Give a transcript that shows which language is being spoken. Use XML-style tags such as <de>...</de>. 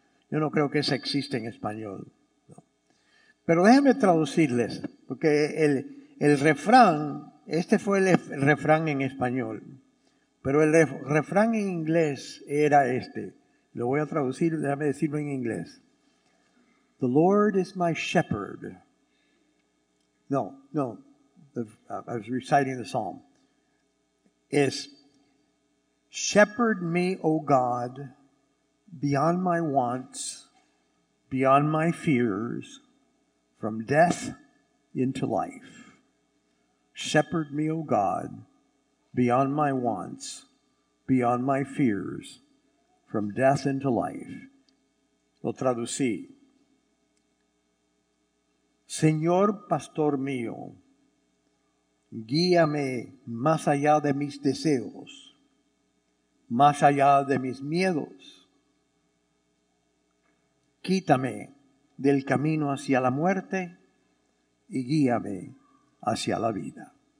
<es>Yo no creo que esa exista en español. No. Pero déjenme traducirles, porque el refrán, este fue el refrán en español, pero el refrán en inglés era este. Lo voy a traducir, déjame decirlo en inglés.</es> <en>The Lord is my shepherd. No. I was reciting the psalm. Is shepherd me, O God, beyond my wants, beyond my fears, from death into life. Shepherd me, O God, beyond my wants, beyond my fears, from death into life.</en> <es>Lo traducí. Señor pastor mío, guíame más allá de mis deseos, más allá de mis miedos. Quítame del camino hacia la muerte y guíame hacia la vida.</es>